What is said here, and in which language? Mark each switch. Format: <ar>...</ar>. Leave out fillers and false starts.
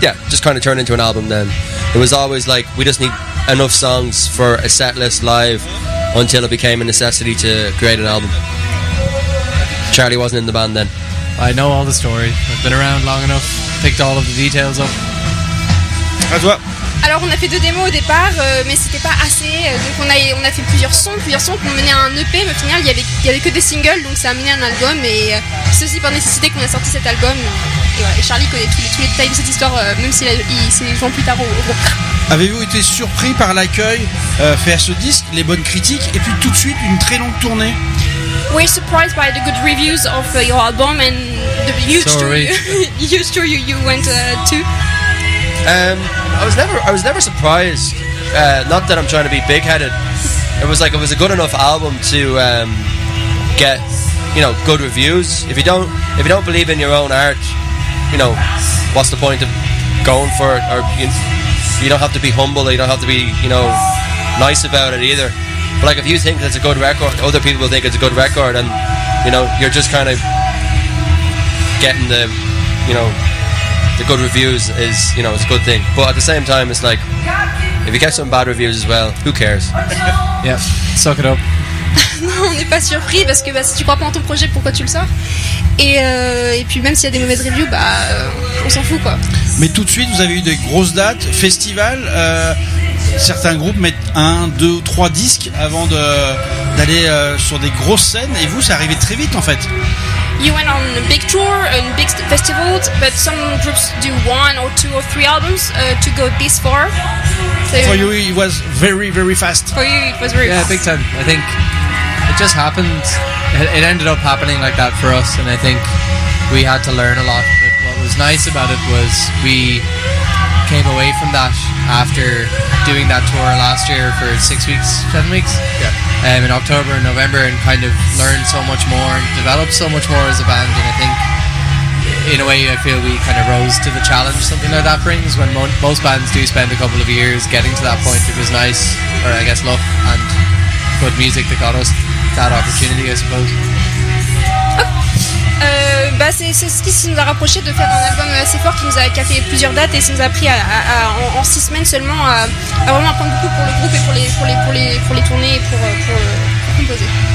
<en>Yeah, just kind of turned into an album then. It was always like, we just need enough songs for a set list live until it became a necessity to create an album. Charlie wasn't in the band then. I know all the story. I've been around long enough, picked all of the details up. As well.</en> <fr>Alors on a fait deux démos au départ, mais c'était pas assez, donc on a fait plusieurs sons qui ont mené à un EP, mais au final il y avait que des singles, donc ça a mené à un album, et c'est aussi par nécessité qu'on a sorti cet album, et voilà, et Charlie connaît tous les détails de cette histoire, même s'il s'est joint plus tard au groupe. Avez-vous été surpris par l'accueil fait à ce disque, les bonnes critiques, et puis tout de suite une très longue tournée?</fr> <en>We're surprised by the good reviews of your album and the huge tour you went to. I was never surprised. Not that I'm trying to be big-headed. It was a good enough album to get, you know, good reviews. If you don't believe in your own art, you know, what's the point of going for it? Or you don't have to be humble. You don't have to be, you know, nice about it either. But like, if you think it's a good record, other people will think it's a good record, and you know, you're just kind of getting the, you know. The good reviews is, you know, it's a good thing. But at the same time, it's like, if you get some bad reviews as well, who cares? Yeah, suck it up.</en> <fr>Non, on n'est pas surpris, parce que bah, si tu crois pas en ton projet, pourquoi tu le sors? Et puis même s'il y a des mauvaises reviews, on s'en fout, quoi. Mais tout de suite, vous avez eu des grosses dates, festivals. Certains groupes mettent un, deux ou trois disques avant d'aller sur des grosses scènes. Et vous, c'est arrivé très vite, en fait.</fr> <en>You went on a big tour and big festivals, but some groups do one or two or three albums to go this far. So for you, it was very, very fast. For you, it was very fast. Yeah, big time. I think it just happened. It ended up happening like that for us, and I think we had to learn a lot. But what was nice about it was we came away from that after doing that tour last year for 6 weeks, 7 weeks. Yeah. In October and November, and kind of learned so much more, developed so much more as a band, and I think in a way I feel we kind of rose to the challenge something like that brings, when most bands do spend a couple of years getting to that point. It was nice, or I guess luck and good music that got us that opportunity, I suppose.</en> <fr>C'est ce qui nous a rapproché de faire un album assez fort qui a fait plusieurs dates, et ça nous a pris en 6 semaines seulement à vraiment apprendre beaucoup pour le groupe et pour les tournées et pour composer.</fr>